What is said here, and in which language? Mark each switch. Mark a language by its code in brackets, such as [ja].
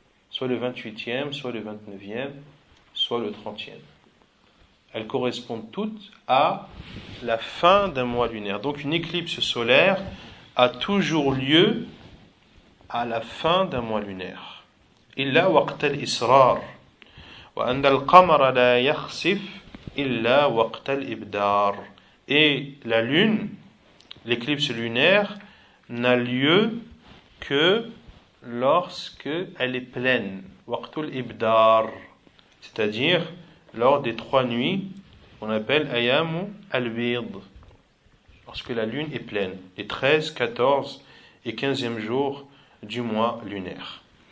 [fr] Soit le 28e, soit le 29e, soit le 30e. Elles correspondent toutes à la fin d'un mois lunaire. Donc une éclipse solaire a toujours lieu à la fin d'un mois lunaire. [ar] إلا وقت الإصرار وأن القمر لا يخسف إلا وقت الإبدار. [fr] Et la lune, l'éclipse lunaire, n'a lieu que lorsque elle est pleine. [ar] وقت الإبدار, [fr] c'est-à-dire lors des trois nuits qu'on appelle أيام البيض, lorsque la lune est pleine, les 13, 14 et 15e jours du mois lunaire.